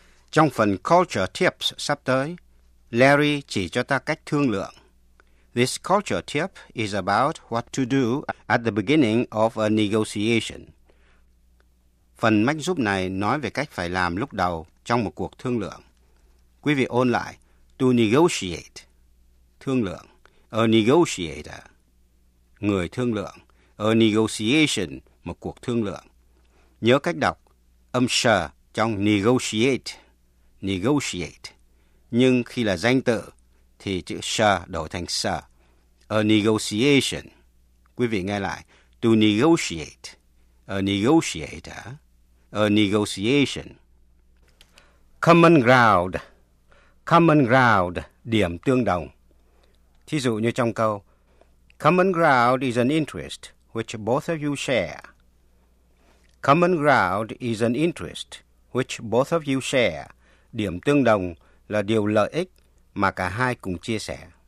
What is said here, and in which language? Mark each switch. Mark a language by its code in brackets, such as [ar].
[vi] Trong phần Culture Tips sắp tới, Larry chỉ cho ta cách thương lượng. [en] This culture tip is about what to do at the beginning of a negotiation. [vi] Phần mách giúp này nói về cách phải làm lúc đầu trong một cuộc thương lượng. Quý vị ôn lại, [en] to negotiate, [vi] thương lượng, [en] a negotiator, [vi] người thương lượng, [en] a negotiation, [vi] một cuộc thương lượng. Nhớ cách đọc, âm sh trong negotiate, negotiate, nhưng khi là danh tự thì chữ sh đổi thành sh, [en] a negotiation. [vi] Quý vị nghe lại, [en] to negotiate, a negotiator. A negotiation. Common ground. Common ground, [vi] điểm tương đồng. Thí dụ như trong câu, [en] common ground is an interest which both of you share. Common ground is an interest which both of you share. [vi] Điểm tương đồng là điều lợi ích mà cả hai cùng chia sẻ.